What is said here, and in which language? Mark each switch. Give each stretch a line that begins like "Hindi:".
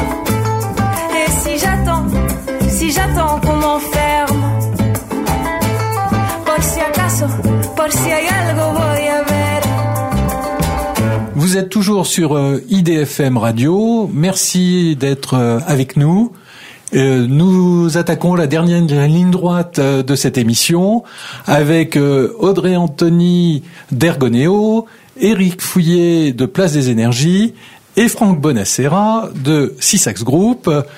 French: Et si j'attends, si j'attends qu'on m'enferme.
Spanish: Por si acaso, por si hay algo voy a ver.
French: Vous êtes toujours sur IDFM Radio. Merci d'être avec nous. Nous attaquons la dernière ligne droite de cette émission avec Audrey Anthony d'Ergoneo, Éric Fouillet de Place des Énergies et Franck Bonacera de Sisax Group.